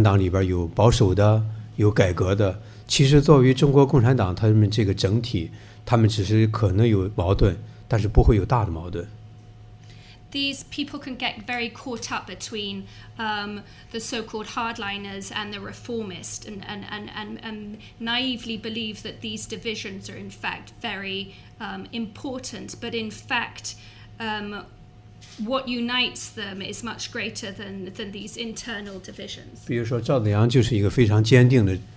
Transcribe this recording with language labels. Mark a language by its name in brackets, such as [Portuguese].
[Chinese] 你描述中描述八九年的学生，他们非常清楚有保守派，有那个不是保守派，那些激进。OK，他们很清楚。你觉得现在党里面还有那个派子的分别吗？有一些人要改变，有一些。其实这都是大家的一种愿望，大家以为共产党里边有保守的，有改革的。其实作为中国共产党，他们这个整体，他们只是可能有矛盾，但是不会有大的矛盾。 [English] These people can get very caught up between the so-called hardliners and the reformists, and naively believe that these divisions are in fact very important. But in fact, what unites them is much greater than these internal divisions. [Chinese] 比如说，赵子阳就是一个非常坚定的。